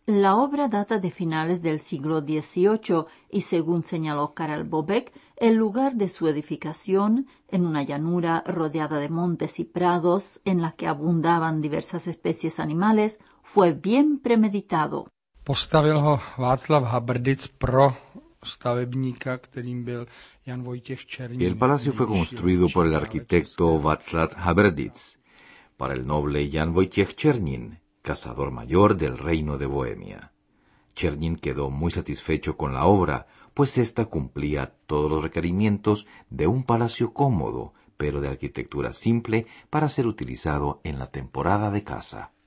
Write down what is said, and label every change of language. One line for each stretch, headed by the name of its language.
Spanish: La obra data de finales del siglo XVIII y, según señaló Karel Bobek, el lugar de su edificación, en una llanura rodeada de montes y prados en la que abundaban diversas especies animales, fue bien premeditado.
Czech: Postavil ho Václav Habrdic pro stavebníka, kterým byl Jan Vojtěch Černý.
Spanish: El palacio fue construido por el arquitecto Václav Habrdic para el noble Jan Vojtěch Černín, cazador mayor del reino de Bohemia. Černín quedó muy satisfecho con la obra, pues ésta cumplía todos los requerimientos de un palacio cómodo, pero de arquitectura simple para ser utilizado en la temporada de caza.